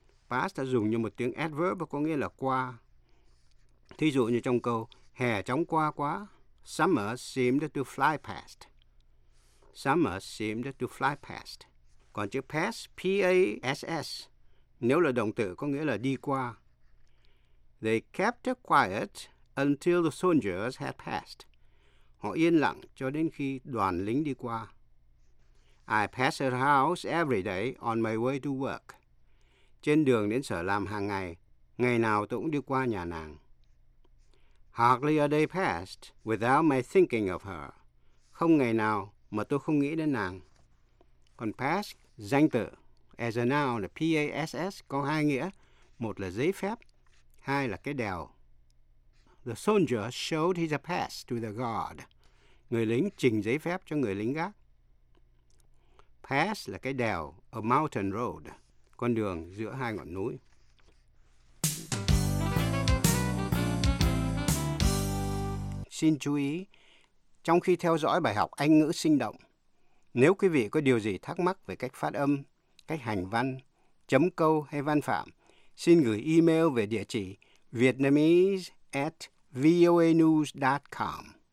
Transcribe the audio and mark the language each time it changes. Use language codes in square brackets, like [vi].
[vi] Past dùng như một tiếng adverb có nghĩa là qua. Thí dụ như trong câu, hè chóng qua quá, [en] summer seemed to fly past. Summer seemed to fly past. [vi] Còn chữ pass, P-A-S-S, nếu là động từ có nghĩa là đi qua. [en] They kept quiet until the soldiers had passed. [vi] Họ yên lặng cho đến khi đoàn lính đi qua. [en] I pass her house every day on my way to work. [vi] Trên đường đến sở làm hàng ngày, ngày nào tôi cũng đi qua nhà nàng. [en] Hardly a day passed without my thinking of her. [vi] Không ngày nào mà tôi không nghĩ đến nàng. Còn pass, danh từ, [en] as a noun, [vi] là P-A-S-S, có hai nghĩa. Một là giấy phép, hai là cái đèo. [en] The soldier showed his pass to the guard. [vi] Người lính trình giấy phép cho người lính gác. Pass là cái đèo, [en] a mountain road, [vi] con đường giữa hai ngọn núi. Xin chú ý, trong khi theo dõi bài học Anh ngữ sinh động, nếu quý vị có điều gì thắc mắc về cách phát âm, cách hành văn, chấm câu hay văn phạm, xin gửi email về địa chỉ vietnamese@voanews.com.